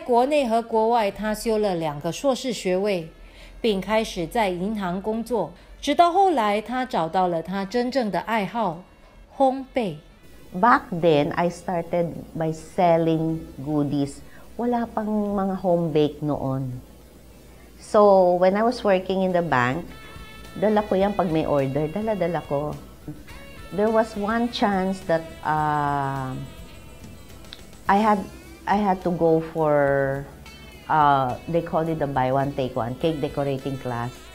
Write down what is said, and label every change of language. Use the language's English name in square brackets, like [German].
[Chinese] 在国内和国外，他修了两个硕士学位， 并开始在银行工作， 直到后来，他找到了他真正的爱好， 烘焙。 [English] Back then, I started by selling goodies. [Filipino] Wala pang mga home bake noon. [English] So, when I was working in the bank, [Filipino] dala ko yan pag may order, dala-dala ko. [English] There was one chance that I had to go for, they call it the buy one, take one, cake decorating class.